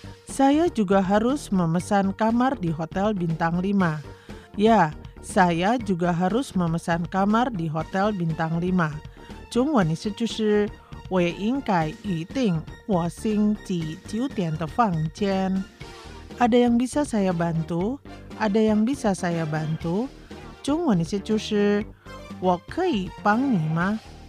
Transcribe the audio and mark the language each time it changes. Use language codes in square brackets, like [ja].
[id] Saya juga harus memesan kamar di hotel bintang 5. Ya, saya juga harus memesan kamar di hotel bintang 5. [zh] 中文意思就是我应该已定我星级酒店的房间. [id] Ada yang bisa saya bantu? Ada yang bisa saya bantu? [zh] 中文意思就是我可以帮你吗?